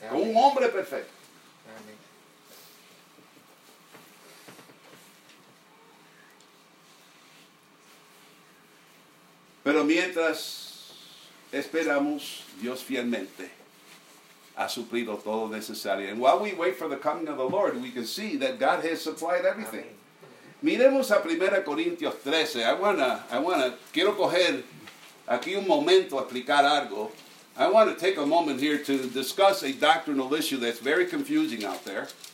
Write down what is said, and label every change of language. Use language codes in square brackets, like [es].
[es] Un hombre perfecto. Pero mientras esperamos, Dios fielmente ha suplido todo necesario. [en] And while we wait for the coming of the Lord, we can see that God has supplied everything. [es] Amen. Miremos a 1 Corintios 13. Quiero coger aquí un momento a explicar algo. [en] I want to take a moment here to discuss a doctrinal issue that's very confusing out there.